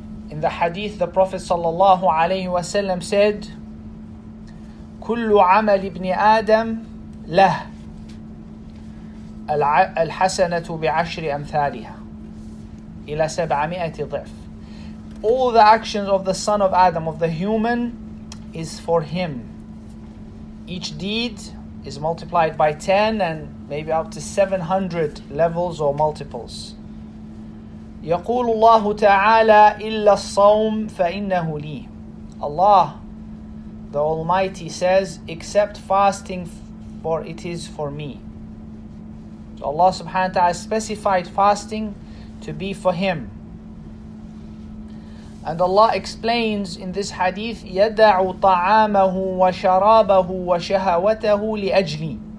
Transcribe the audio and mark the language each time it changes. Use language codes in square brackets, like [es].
[en] In the hadith, the Prophet sallallahu alayhi wa sallam said, [ar] كُلُّ عَمَلِ ابْنِ آدَمْ لَهُ الْحَسَنَةُ بِعَشْرِ أَمْثَالِهَا إِلَى 700 ضِعْف. [en] All the actions of the son of Adam, of the human, is for him. Each deed is multiplied by 10 and maybe up to 700 levels or multiples. [ar] يقول الله تعالى إلا الصوم فإنه لي. [en] Allah, the Almighty, says, except fasting, for it is for me. So Allah subhanahu wa ta'ala specified fasting to be for Him. And Allah explains in this hadith, [ar] يدع طعامه وشرابه وشهوته لأجلي.